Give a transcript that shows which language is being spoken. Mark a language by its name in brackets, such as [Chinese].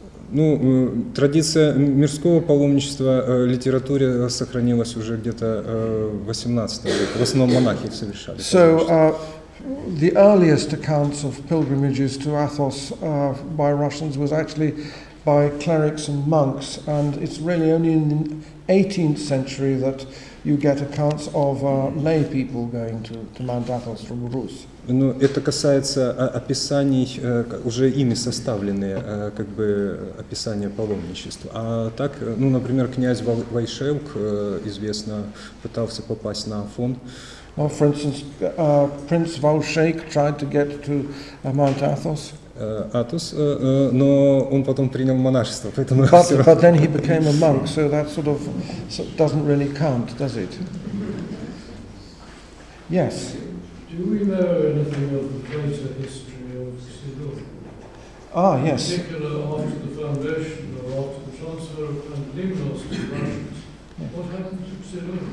[Russian] Ну, традиция мирского паломничества литературе сохранилась уже где-то в 18 веке. В основном монахи совершали. [English] So, the earliest accounts of pilgrimages to Athos by Russians was actually by clerics and monks, and it's really only in the 18th century that you get accounts of lay people going to Mount Athos from Rus. [Russian] Ну, это касается описаний, уже ими составленные, как бы, описания паломничества. А так, ну, например, князь Вайшелк, известно, пытался попасть на Афон. [English] Well, for instance, Prince Valshake tried to get to Mount Athos. [Russian] Athos, но он потом принял монашество, поэтому. [English] But then he became a monk, so that sort of doesn't really count, does it? Yes. Do we know anything of the greater history of Sidon? Ah, yes. In particular, after the foundation or after the transfer of Pandemos to the Russians, what happened to Sidon?